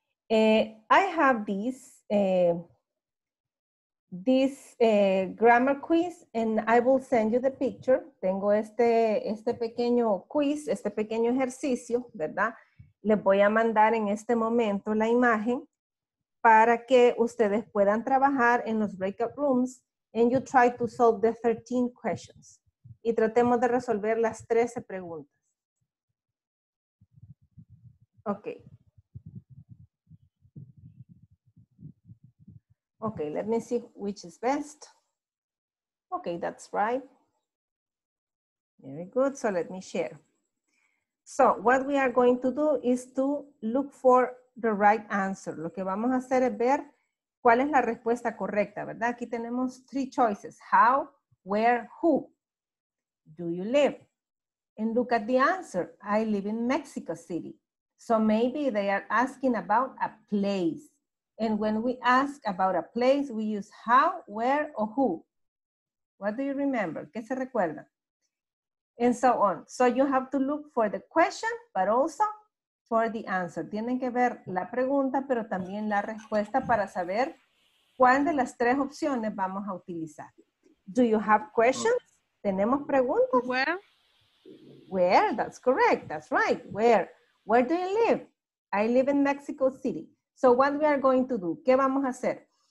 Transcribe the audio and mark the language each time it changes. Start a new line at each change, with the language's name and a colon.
English: I have this grammar quiz, and I will send you the picture.
Spanish: Tengo este pequeño quiz, este pequeño ejercicio, ¿verdad? Les voy a mandar en este momento la imagen para que ustedes puedan trabajar en los breakout rooms,
English: and you try to solve the 13 questions.
Spanish: Y tratemos de resolver las 13 preguntas.
English: Okay. Okay, let me see which is best. Okay, that's right. Very good. So let me share. So what we are going to do is to look for the right answer.
Spanish: Lo que vamos a hacer es ver cuál es la respuesta correcta, ¿verdad? Aquí tenemos
English: 3 choices. How, where, who do you live? And look at the answer. I live in Mexico City. So maybe they are asking about a place. And when we ask about a place, we use how, where, or who. What do you remember?
Spanish: ¿Qué se recuerda?
English: And so on. So you have to look for the question, but also for the answer.
Spanish: Tienen que ver la pregunta, pero también la respuesta para saber cuál de las 3 opciones vamos a utilizar.
English: Do you have questions?
Spanish: ¿Tenemos preguntas?
English: Where? Where? That's correct. That's right. Where? Where do you live? I live in Mexico City. So what we are going to do,
Spanish: ¿qué vamos a hacer?